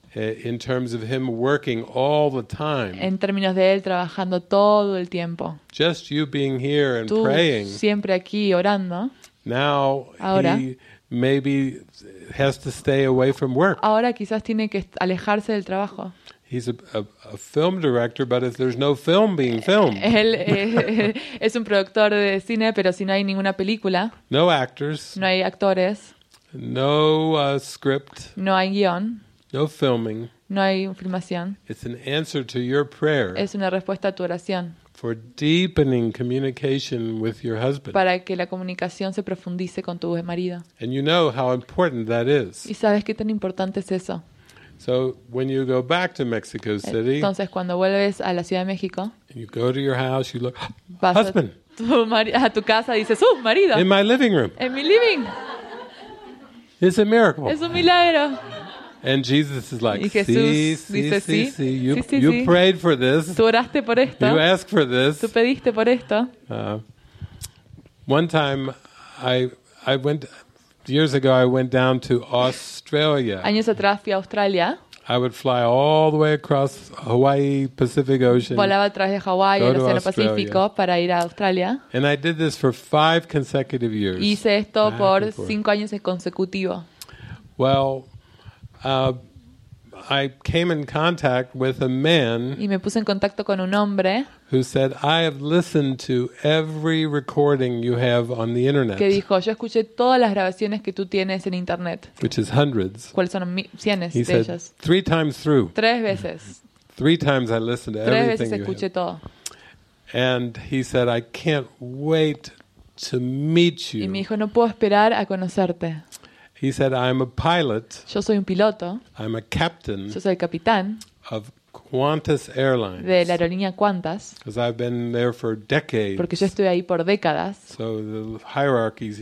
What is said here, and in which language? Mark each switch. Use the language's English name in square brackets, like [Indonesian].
[English] In terms of him working all the time. [Spanish] En términos de él trabajando todo el tiempo. [English] Just you being here and praying. [Spanish] Tú siempre aquí orando. [English] Now [Spanish] ahora, [English] he maybe has to stay away from work. [Spanish] Ahora quizás tiene que alejarse del trabajo. [English] He's a film director, but if there's no film being filmed. [Spanish] Él es un productor de cine, pero si no hay ninguna película. [English] No actors. [Spanish] No hay actores. [English] No script. [Spanish] No hay guion. [English] No filming. [Spanish] No hay filmación. [English] It's an answer to your prayer. [Spanish] Es una respuesta a tu oración. [English] For deepening communication with your husband. [Spanish] Para que la comunicación se profundice con tu marido. [English] And you know how important that is. [Spanish] Y sabes qué tan importante es eso. [English] So when you go back to Mexico City. [Spanish] Entonces cuando vuelves a la Ciudad de México. [English] And you go to your house, you look, husband. [Spanish] A tu casa dices, ¡uh, marido! [English] In my living room. [Spanish] En mi living. [English] It's a miracle. [Spanish] Es un milagro. [English] And Jesus is like, [Spanish] sí, [English] you prayed for this. [Spanish] Tú oraste por esto. [English] You asked for this. [Spanish] Tú pediste por esto. [English] One time, I went years ago. I went down to Australia. [Spanish] Años atrás fui a Australia. [English] I would fly all the way across Hawaii, Pacific Ocean. [Spanish] Volaba a través de Hawaii, el Océano Pacífico, para ir a Australia. [English] And I did this for 5 consecutive years. [Spanish] Hice esto por 5 años consecutivos. [English] Well. I came in contact with a man. [Spanish] Y me puse en contacto con un hombre. [English] Who said, "I have listened to every recording you have on the internet." [Spanish] Que dijo, yo escuché todas las grabaciones que tú tienes en internet. [English] Which is hundreds. [Spanish] ¿Cuáles son cientos de ellas? [English] He said, "Three times through." [Spanish] Tres veces. [English] Three times I listened to everything. [Spanish] Tres veces escuché todo. [English] And he said, "I can't wait to meet you." [Spanish] Y me dijo, no puedo esperar a conocerte. [English] He said, "I'm a pilot." [Spanish] Yo soy un piloto. [English] I'm a captain. [Spanish] Yo soy el capitán. [English] Of Qantas Airlines. [Spanish] De la aerolínea Qantas. [English] Because I've been there for decades. [Spanish] Porque yo estuve ahí por décadas. [English] So the hierarchies.